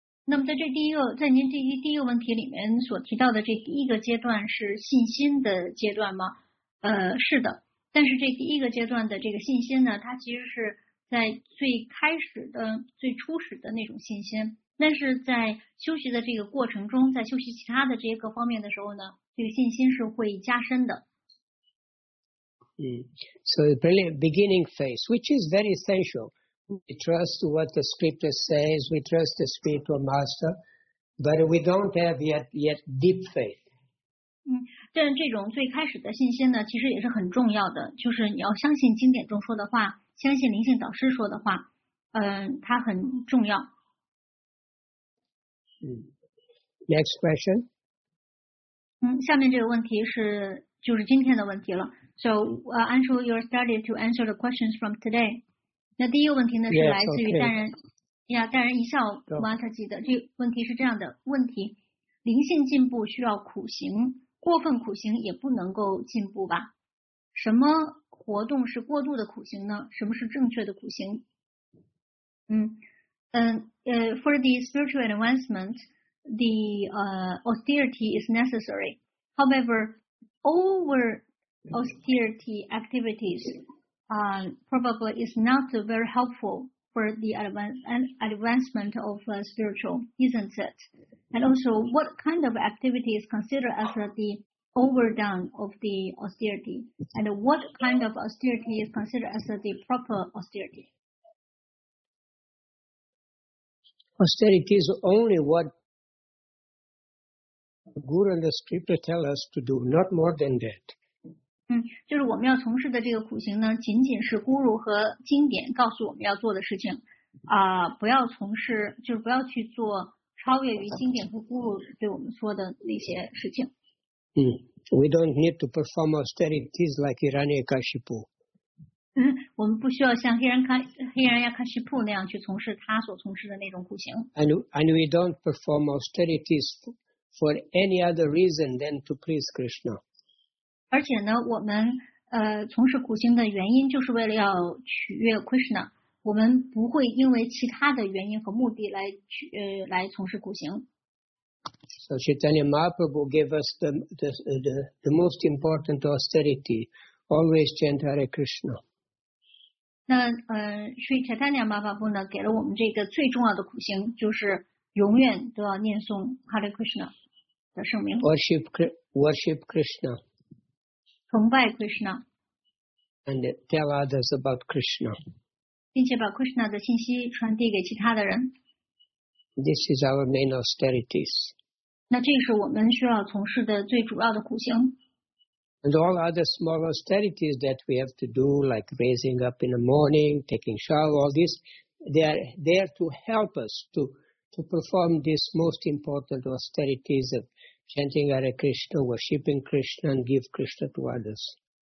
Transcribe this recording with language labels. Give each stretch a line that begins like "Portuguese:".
Chinese: 那么在这第一个，在您这第一个问题里面所提到的这第一个阶段是信心的阶段吗？是的。但是这第一个阶段的这个信心呢，它其实是在最开始的、最初始的那种信心。但是在修习的这个过程中，在修习其他的这些各方面的时候呢，这个信心是会加深的。
English: So the beginning phase, which is very essential. We trust what the scripture says, we trust the spiritual master, but we don't have yet deep faith.
Chinese: 但这种最开始的信心呢，其实也是很重要的，就是你要相信经典中说的话，相信灵性导师说的话，它很重要。
English: Next question.
Chinese: 下面这个问题是就是今天的问题了。
English: So, Anshu, you're started to answer the questions from today.
Chinese: 那第一个问题呢
English: yes,
Chinese: 是来自于淡然、
English: okay.
Chinese: 呀，淡然一笑 Mataji 的。这个问题是这样的：问题，灵性进步需要苦行，过分苦行也不能够进步吧？什么活动是过度的苦行呢？什么是正确的苦行？
English: For the spiritual advancement, the austerity is necessary. However, over austerity activities probably is not very helpful for the advancement of spiritual, isn't it? And also, what kind of activity is considered as the overdone of the austerity? And what kind of austerity is considered as the proper austerity? Austerity is only what Guru and the scripture tell us to do, not more than that.
Chinese: 就是我们要从事的这个苦行呢，仅仅是 Guru 和经典告诉我们要做的事情。不要从事，就是不要去做超越于经典和 Guru 对我们说的那些事情。
English: We don't need to perform austerities like Hiranyakashipu.
Chinese: 我们不需要像黑人亚卡西普那样去从事他所从事的那种苦行。
English: And we don't perform austerities for any other reason than to please Krishna.
Chinese: 而且呢，我们从事苦行的原因就是为了要取悦 Krishna。我们不会因为其他的原因和目的来来从事苦行。
English: So Chaitanya Mahaprabhu gave us the most important austerity, always chant Hare Krishna.
Chinese: 那所以 Chaitanya Mahaprabhu 呢给了我们这个最重要的苦行，就是永远都要念诵 Hare Krishna 的圣名。
English: Worship Krishna.
Chinese: 崇拜 Krishna.
English: And tell others about Krishna.
Chinese: 并且把 Krishna 的信息传递给其他的人。
English: This is our main austerities.
Chinese: 那这是我们需要从事的最主要的苦行。
English: And all other small austerities that we have to do, like raising up in the morning, taking shower, all this, they are there to help us to perform these most important austerities of chanting Hare Krishna, worshipping Krishna, and give Krishna to others.